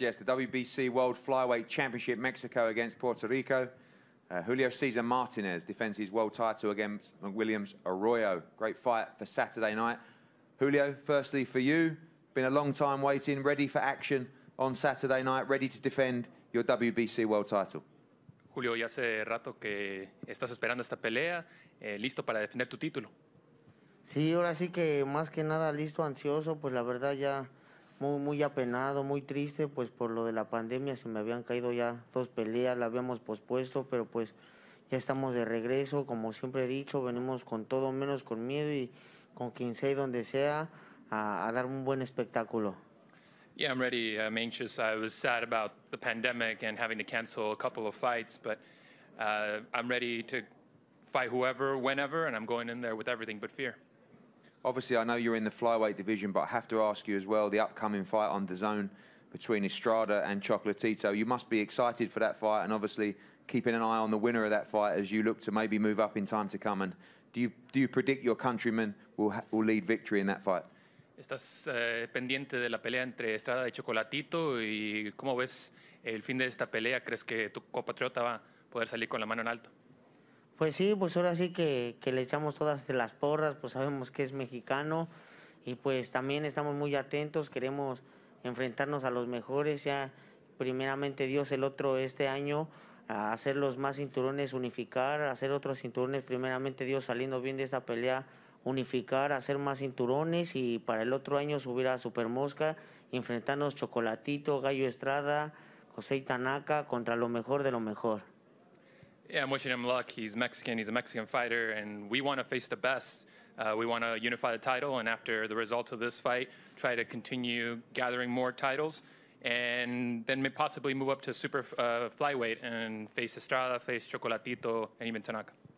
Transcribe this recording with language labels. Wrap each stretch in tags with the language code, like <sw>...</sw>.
<en>Yes, the WBC World Flyweight Championship, Mexico against Puerto Rico. Julio Cesar Martinez defends his world title against McWilliams Arroyo. Great fight for Saturday night. Julio, firstly for you, been a long time waiting, ready for action on Saturday night, ready to defend your WBC world title.</en> <es>Julio, ya hace rato que estás esperando esta pelea, listo para defender tu título. Sí, ahora sí que más que nada listo, ansioso, pues la verdad ya muy, muy apenado, muy triste, pues por lo de la pandemia se me habían caído ya dos peleas, la habíamos pospuesto, pero pues ya estamos de regreso, como siempre he dicho, venimos con todo menos con miedo y con quien sea y donde sea a dar un buen espectáculo.</es> <en>Yeah, I'm ready. I'm anxious. I was sad about the pandemic and having to cancel a couple of fights, but I'm ready to fight whoever, whenever, and I'm going in there with everything but fear. Obviously, I know you're in the flyweight division, but I have to ask you as well, the upcoming fight on DAZN between Estrada and Chocolatito. You must be excited for that fight and obviously keeping an eye on the winner of that fight as you look to maybe move up in time to come. And do you predict your countrymen will lead victory in that fight?</en> <es>¿Estás pendiente de la pelea entre Estrada y Chocolatito? ¿Y cómo ves el fin de esta pelea? ¿Crees que tu compatriota va a poder salir con la mano en alto? Pues sí, pues ahora sí que le echamos todas las porras, pues sabemos que es mexicano y pues también estamos muy atentos, queremos enfrentarnos a los mejores, ya primeramente Dios el otro este año, a hacer los más cinturones, unificar, hacer otros cinturones, primeramente Dios saliendo bien de esta pelea, unificar, hacer más cinturones y para el otro año subir a Super Mosca, enfrentarnos Chocolatito, Gallo Estrada, José Tanaka contra lo mejor de lo mejor.</es> <en>Yeah, I'm wishing him luck. He's Mexican, he's a Mexican fighter, and we want to face the best. We want to unify the title, and after the result of this fight, try to continue gathering more titles, and then possibly move up to super flyweight and face Estrada, face Chocolatito, and even Tanaka.</en>